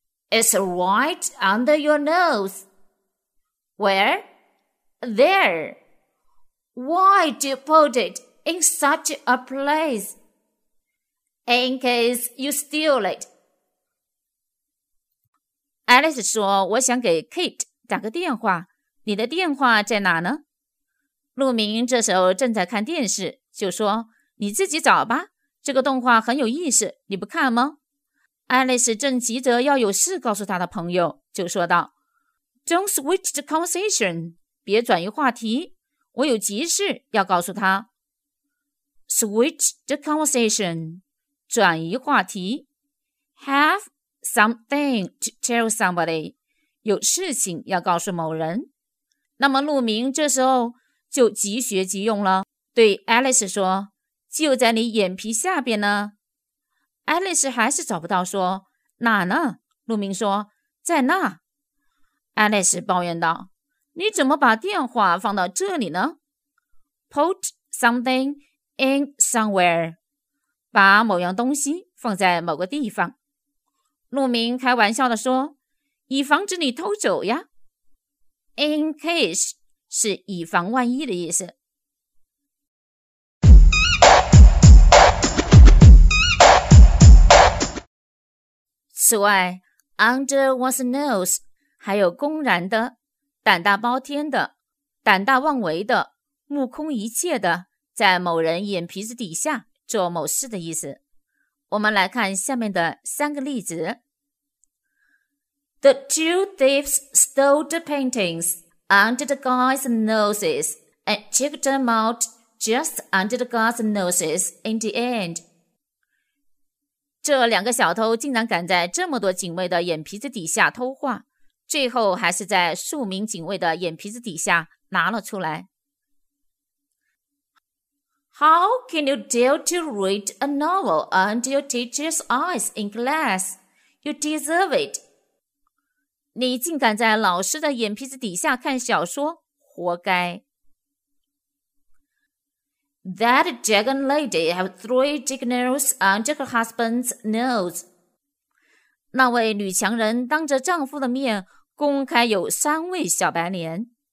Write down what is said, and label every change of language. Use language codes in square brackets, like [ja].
[en] It's right under your nose. Where? There. Why do you put it? In such a place. In case you steal it, [zh] Alice 说，我想给 Kate 打个电话，你的电话在哪呢？陆明这时候正在看电视，就说，你自己找吧，这个动画很有意思，你不看吗？ Alice 正急着要有事告诉他的朋友，就说道， [en] Don't switch the conversation， [zh] 别转移话题，我有急事要告诉他。 [en] Switch the conversation， [zh] 转移话题。 [en] Have something to tell somebody， [zh] 有事情要告诉某人。那么陆明这时候就即学即用了，对 Alice 说，就在你眼皮下边呢。 Alice 还是找不到，说，哪呢？陆明说，在那。 Alice 抱怨道，你怎么把电话放到这里呢？ [en] Put something in somewhere， [zh] 把某样东西放在某个地方。陆明开玩笑地说，以防止你偷走呀。 In case 是以防万一的意思。此外， [en] Under one's nose [zh] 还有公然的、胆大包天的、胆大妄为的、目空一切的、在某人眼皮子底下做某事的意思。我们来看下面的三个例子。 [en] The two thieves stole the paintings under the guy's noses and took them out just under the guy's noses in the end. [zh] 这两个小偷竟然敢在这么多警卫的眼皮子底下偷画，最后还是在数名警卫的眼皮子底下拿了出来。 [en] How can you dare to read a novel under your teacher's eyes in class? You deserve it. [zh] 你竟敢在老师的眼皮子底下看小说，活该。 [en] That dragon lady has three dignitaries under her husband's nose. [zh] 那位女强人当着丈夫的面公开有三位小白脸。